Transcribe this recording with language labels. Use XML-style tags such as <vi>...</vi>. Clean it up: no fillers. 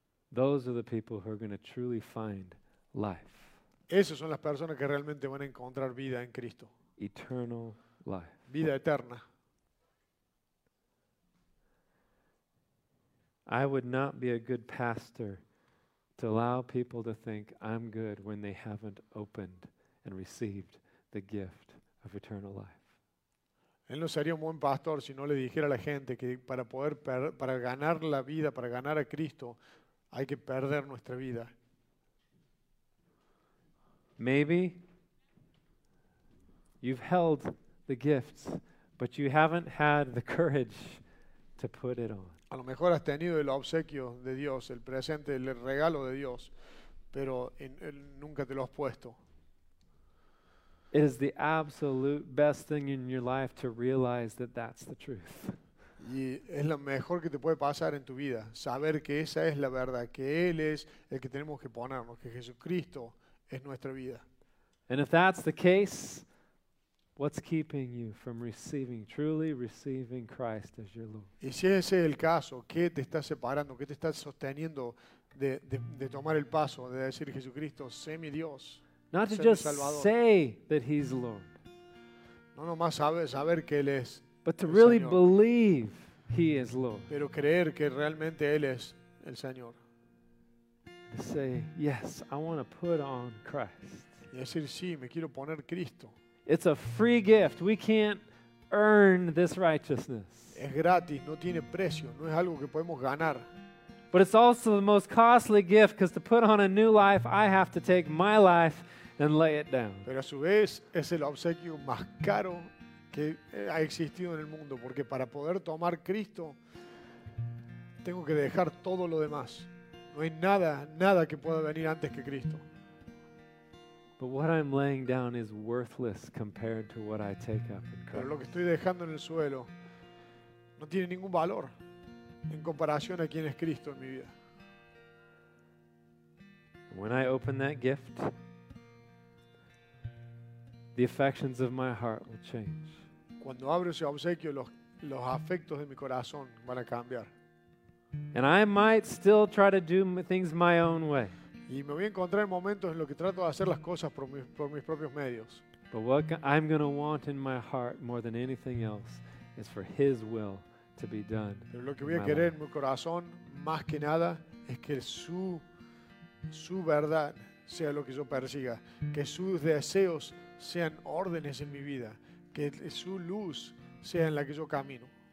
<en>Those are the people who are going to truly find life.</en> <es>Esas son las personas que realmente van a encontrar vida en Cristo.</es> <en>Eternal life.</en> <es>Vida eterna.</es> <en>I would not be a good pastor to allow people to think I'm good when they haven't opened and received the gift of eternal life.</en> <es>Él no sería un buen pastor si no le dijera a la gente que para ganar la vida, para ganar a Cristo, hay que perder nuestra vida.</es> <en>Maybe you've held the gifts, but you haven't had the courage to put it on.</en> <es>A lo mejor has tenido el obsequio de Dios, el presente, el regalo de Dios, pero nunca te lo has puesto.</es> <en>It is the absolute best thing in your life to realize that that's the truth.</en> <es>Y es lo mejor que te puede pasar en tu vida, saber que esa es la verdad, que Él es el que tenemos que ponernos, que Jesucristo es nuestra vida.</es> <en>And if that's the case, what's keeping you from receiving, truly receiving Christ as your Lord?</en> <es>Y si ese es el caso, ¿qué te está separando, qué te está sosteniendo de tomar el paso, de decir Jesucristo, sé mi Dios, sé mi Salvador?</es> <en>Not to just say that He's Lord.</en> <es>No nomás saber que Él es.</es> <en>But to really believe He is Lord.</en> <es>Pero creer que realmente Él es el Señor.</es> <en>To say, yes, I want to put on Christ.</en> <es>Y decir, sí, me quiero poner Cristo.</es> <en>It's a free gift. We can't earn this righteousness.</en> <es>Es gratis, no tiene precio, no es algo que podemos ganar.</es> <en>But it's also the most costly gift, because to put on a new life, I have to take my life and lay it down.</en> <es>Pero a su vez, es el obsequio más caro que ha existido en el mundo, porque para poder tomar Cristo, tengo que dejar todo lo demás. No hay nada que pueda venir antes que Cristo.</es> <en>But what I'm laying down is worthless compared to what I take up in Christ.</en> <es>Pero lo que estoy dejando en el suelo no tiene ningún valor en comparación a quien es Cristo en mi vida.</es> <en>When I open that gift, the affections of my heart will change.</en> <es>Cuando abro ese obsequio, los afectos de mi corazón van a cambiar.</es> <en>And I might still try to do things my own way.</en> <es>Y me voy a encontrar en momentos en los que trato de hacer las cosas por mis propios medios.</es> <en>But what I'm going to want in my heart more than anything else is for His will to be done.</en> <es>Pero lo que voy a querer en mi corazón más que nada es que su verdad sea lo que yo persiga, que sus deseos sean órdenes en mi vida, que su luz sea en la que yo camino.</es>